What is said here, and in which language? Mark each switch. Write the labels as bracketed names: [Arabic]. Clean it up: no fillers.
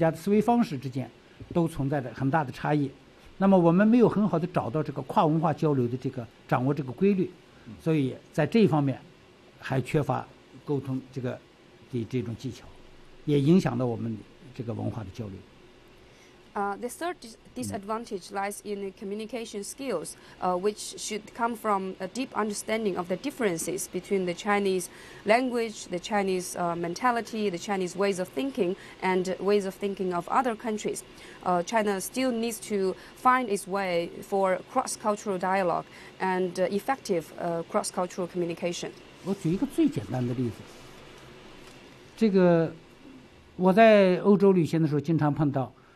[Chinese] 第三个问题呢，就是存在着我们由于确实这个文化之间存在着差异，比如说中文和世界的其他语言之间，中国人的思维方式和其他国家的思维方式之间都存在着很大的差异。那么我们没有很好的找到这个跨文化交流的这个掌握这个规律，所以在这方面还缺乏沟通这个的这种技巧，也影响到我们这个文化的交流。 [English] The third disadvantage lies in the communication skills, which should come from a deep understanding of the differences between the Chinese language, the Chinese mentality, the Chinese ways of thinking, and ways of thinking of other countries. China still needs to find its way for cross-cultural dialogue and effective cross-cultural communication. [Chinese] 我举一个最简单的例子，这个我在欧洲旅行的时候经常碰到。